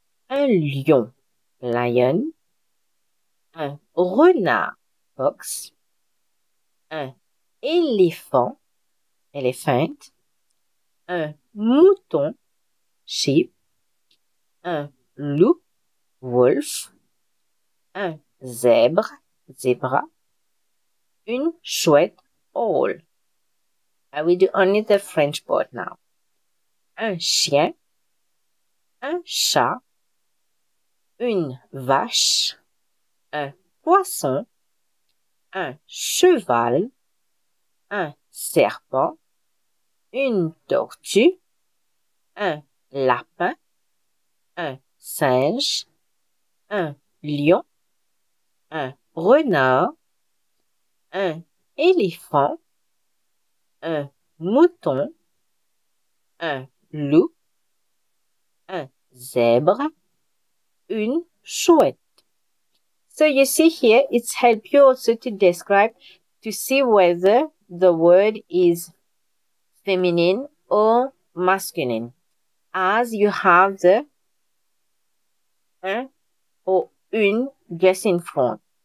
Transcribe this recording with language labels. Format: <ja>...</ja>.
<fr>Un lion, lion. Un renard, fox, un éléphant, elephant, un mouton, sheep, un loup, wolf, un zèbre, zebra, une chouette, owl.</fr> <en>I will do only the French part now.</en> <fr>Un chien, un chat, une vache, un poisson, un cheval, un serpent, une tortue, un lapin, un singe, un lion, un renard, un éléphant, un mouton, un loup, un zèbre, une chouette.</fr> <en>So you see here, it's help you also to describe, to see whether the word is feminine or masculine. As you have the un or une just in front.</en>